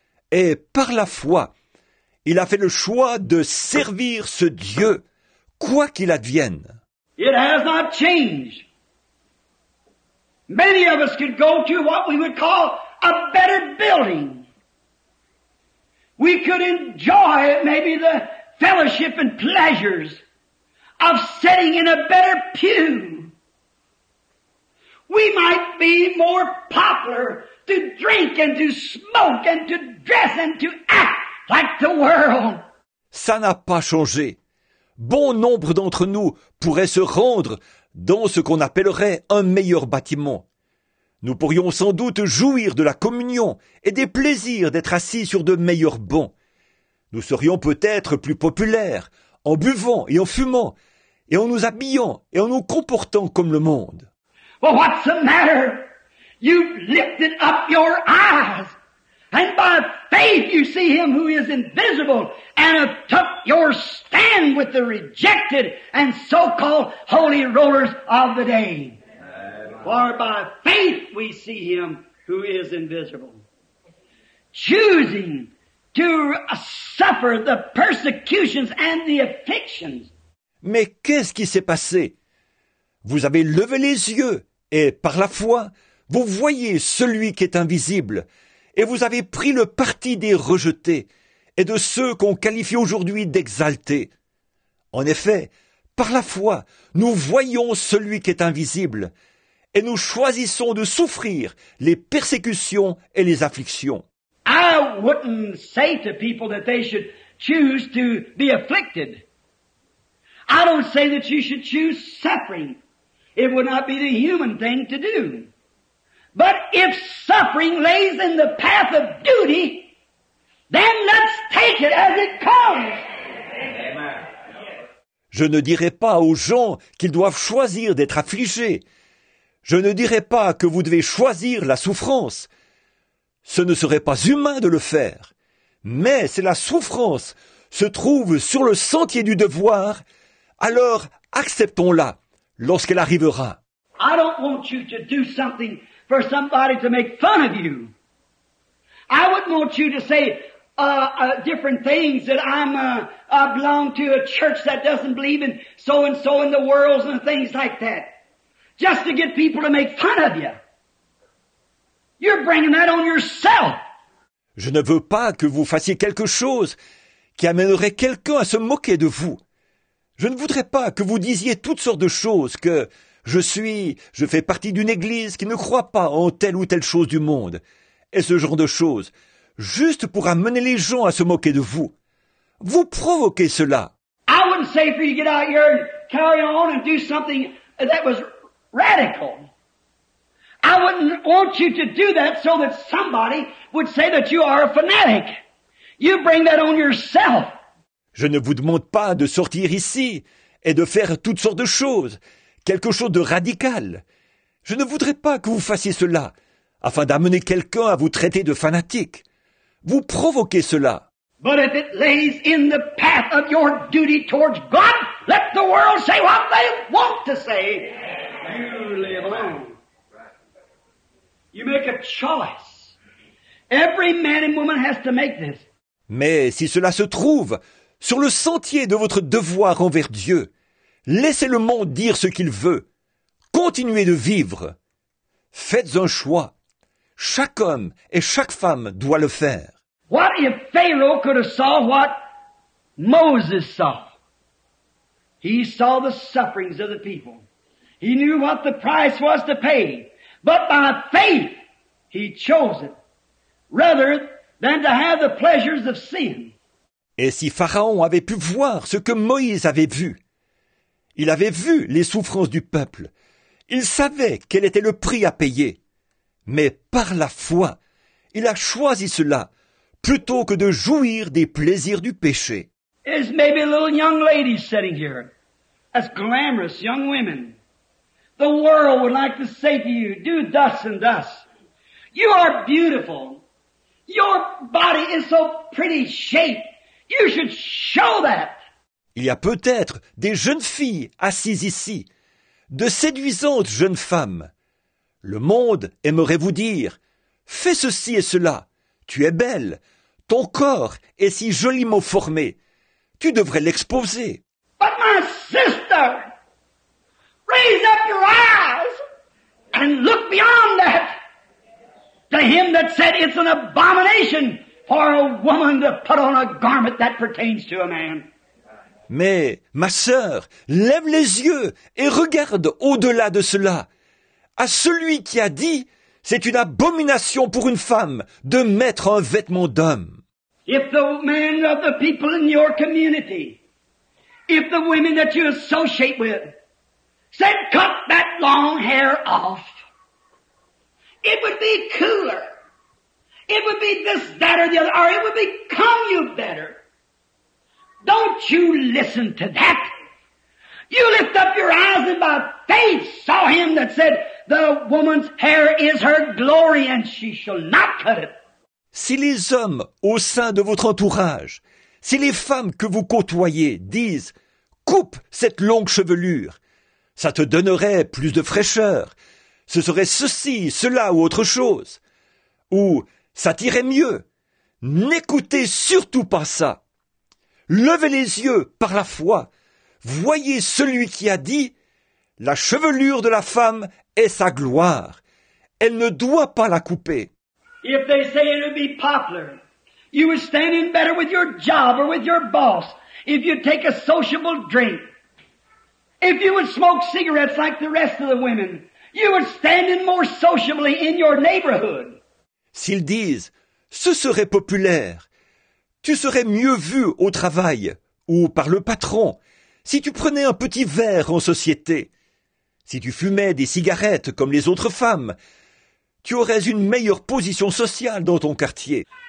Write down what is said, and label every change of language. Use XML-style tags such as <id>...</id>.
<fr>Et par la foi, il a fait le choix de servir ce Dieu, quoi qu'il advienne.</fr> <en>It has not changed. Many of us could go to what we would call a better building. We could enjoy maybe the fellowship and pleasures of sitting in a better pew. We might be more popular to drink and to smoke and to dress and to act like the world.</en> <fr>Ça n'a pas changé. Bon nombre d'entre nous pourraient se rendre dans ce qu'on appellerait un meilleur bâtiment. Nous pourrions sans doute jouir de la communion et des plaisirs d'être assis sur de meilleurs bancs. Nous serions peut-être plus populaires en buvant et en fumant, et en nous habillant et en nous comportant comme le monde.</fr> <en>Well, what's the matter? You lifted up your eyes, and by faith you see him who is invisible, and have took your stand with the rejected and so-called holy rollers of the day. For by faith we see him who is invisible, choosing to suffer the persecutions and the afflictions.</en> <fr>Mais qu'est-ce qui s'est passé? Vous avez levé les yeux, et par la foi, vous voyez celui qui est invisible, et vous avez pris le parti des rejetés et de ceux qu'on qualifie aujourd'hui d'exaltés. En effet, par la foi, nous voyons celui qui est invisible, et nous choisissons de souffrir les persécutions et les afflictions.</fr> <en>I wouldn't say to people that they should choose to be afflicted. I don't say that you should choose suffering. It would not be the human thing to do. But if suffering lays in the path of duty, then let's take it as it comes. Amen.</en> <fr>Je ne dirai pas aux gens qu'ils doivent choisir d'être affligés. Je ne dirai pas que vous devez choisir la souffrance. Ce ne serait pas humain de le faire. Mais si la souffrance se trouve sur le sentier du devoir, alors acceptons-la lorsqu'elle arrivera.</fr> <en>I don't want you to do something for somebody to make fun of you. I wouldn't want you to say different things that I belong to a church that doesn't believe in so and so in the world and things like that. Just to get people to make fun of you. You're bringing that on yourself.</en> <fr>Je ne veux pas que vous fassiez quelque chose qui amènerait quelqu'un à se moquer de vous. Je ne voudrais pas que vous disiez toutes sortes de choses que je fais partie d'une église qui ne croit pas en telle ou telle chose du monde et ce genre de choses, juste pour amener les gens à se moquer de vous. Vous provoquez cela.</fr> <en>I wouldn't say for you to get out here and carry on and do something that was radical. I wouldn't want you to do that so that somebody would say that you are a fanatic. You bring that on yourself.</en> <fr>Je ne vous demande pas de sortir ici et de faire toutes sortes de choses, quelque chose de radical. Je ne voudrais pas que vous fassiez cela afin d'amener quelqu'un à vous traiter de fanatique. Vous provoquez cela.</fr> <en>But if it lays in the path of your duty towards God, let the world say what they want to say. You live alone. You make a choice. Every man and woman has to make this.</en> <fr>Mais si cela se trouve sur le sentier de votre devoir envers Dieu, laissez le monde dire ce qu'il veut. Continuez de vivre. Faites un choix. Chaque homme et chaque femme doit le faire.</fr> <en>What if Pharaoh could have saw what Moses saw? He saw the sufferings of the people. He knew what the price was to pay. But by faith, he chose it, rather than to have the pleasures of sin.</en> <fr>Et si Pharaon avait pu voir ce que Moïse avait vu? Il avait vu les souffrances du peuple. Il savait quel était le prix à payer. Mais par la foi, il a choisi cela, plutôt que de jouir des plaisirs du péché.</fr> <en>There's maybe a little young lady sitting here. That's glamorous young women. The world would like to say to you, do thus and thus. You are beautiful. Your body is so pretty shaped. You should show that.</en> <fr>Il y a peut-être des jeunes filles assises ici, de séduisantes jeunes femmes. Le monde aimerait vous dire, fais ceci et cela. Tu es belle. Ton corps est si joliment formé. Tu devrais l'exposer.</fr> <en>But my sister, raise up your eyes and look beyond that to him that said it's an abomination for a woman to put on a garment that pertains to a man.</en> <fr>Mais, ma sœur, lève les yeux et regarde au-delà de cela à celui qui a dit c'est une abomination pour une femme de mettre un vêtement d'homme.</fr> <en>If the men of the people in your community, if the women that you associate with, said cut that long hair off, it would be cooler. It would be this, that, or the other, or it would become you better. Don't you listen to that. You lift up your eyes and by faith saw him that said, the woman's hair is her glory and she shall not cut it.</en> <fr>Si les hommes au sein de votre entourage, si les femmes que vous côtoyez disent « coupe cette longue chevelure », ça te donnerait plus de fraîcheur, ce serait ceci, cela ou autre chose, ou ça t'irait mieux, n'écoutez surtout pas ça. Levez les yeux par la foi, voyez celui qui a dit « la chevelure de la femme est sa gloire, elle ne doit pas la couper ».</fr> <en>If they say it would be popular, you would stand in better with your job or with your boss if you take a sociable drink. If you would smoke cigarettes like the rest of the women, you would stand in more sociably in your neighborhood.</en> <fr>S'ils disent, ce serait populaire, tu serais mieux vu au travail ou par le patron si tu prenais un petit verre en société. Si tu fumais des cigarettes comme les autres femmes, tu aurais une meilleure position sociale dans ton quartier.</fr>